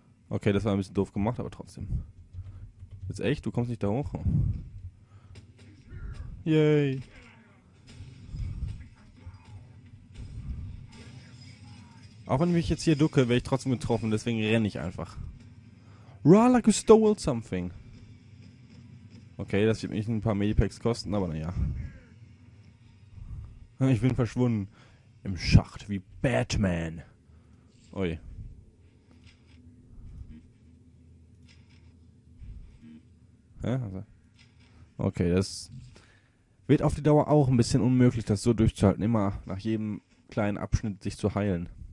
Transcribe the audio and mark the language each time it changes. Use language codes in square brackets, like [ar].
[de] Okay, das war ein bisschen doof gemacht, aber trotzdem. Jetzt echt, du kommst nicht da hoch. Yay. Auch wenn ich mich jetzt hier ducke, werde ich trotzdem getroffen, deswegen renne ich einfach. [en] Raw like you stole something. [de] Okay, das wird mich ein paar Medipacks kosten, aber naja. Ich bin verschwunden. im Schacht wie Batman. Ui. Hä? Okay, das wird auf die Dauer auch ein bisschen unmöglich, das so durchzuhalten, immer nach jedem kleinen Abschnitt sich zu heilen.